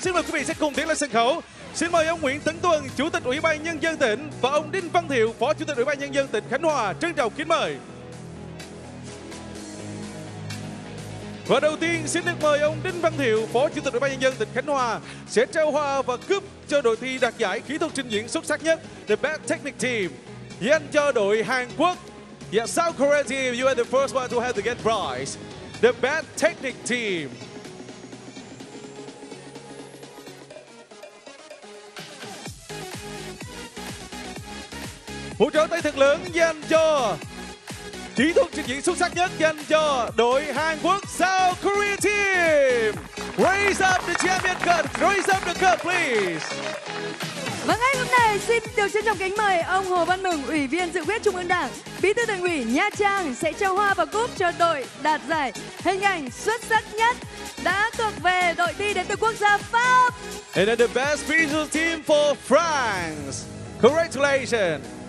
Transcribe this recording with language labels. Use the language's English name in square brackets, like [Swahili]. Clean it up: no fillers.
[Vietnamese] Xin mời quý vị sẽ cùng tiến lên sân khấu. Xin mời ông Nguyễn Tấn Tuân, chủ tịch ủy ban nhân dân tỉnh, và ông Đinh Văn Thiệu, phó chủ tịch ủy ban nhân dân tỉnh Khánh Hòa, trân trọng kính mời. Và đầu tiên xin được mời ông Đinh Văn Thiệu, phó chủ tịch ủy ban nhân dân tỉnh Khánh Hòa sẽ trao hoa và cúp cho đội thi đạt giải kỹ thuật trình diễn xuất sắc nhất, [English] the best technical team, [Vietnamese] dành cho đội Hàn Quốc. [English] Yeah, South Korea team, you are the first one to have the get prize, the best technical team. [Vietnamese] Một trò tay thật lớn dành cho kỹ thuật trình diễn xuất sắc nhất dành cho đội Hàn Quốc South Korea Team. [English] Raise up the champion cup, raise up the cup please. [Vietnamese] Và ngay hôm nay xin được trân trọng kính mời ông Hồ Văn Mừng, ủy viên dự khuyết Trung ương Đảng, bí thư Thành ủy Nha Trang sẽ trao hoa và cúp cho đội đạt giải hình ảnh xuất sắc nhất đã thuộc về đội thi đến từ quốc gia Pháp. [English] And the best visual team for France. Congratulations.